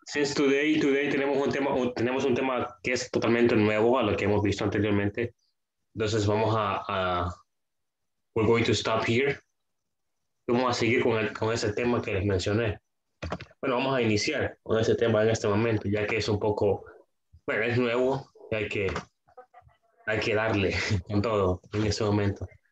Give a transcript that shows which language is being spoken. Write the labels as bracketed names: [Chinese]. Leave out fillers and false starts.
[English] Since [Spanish] today tenemos un tema que es totalmente nuevo a lo que hemos visto anteriormente. Entonces vamos a [English] we're going to stop here. [Spanish] Vamos a seguir con ese tema que les mencioné. Bueno, vamos a iniciar con ese tema en este momento, ya que es un poco, bueno, es nuevo y hay que darle con todo en ese momento.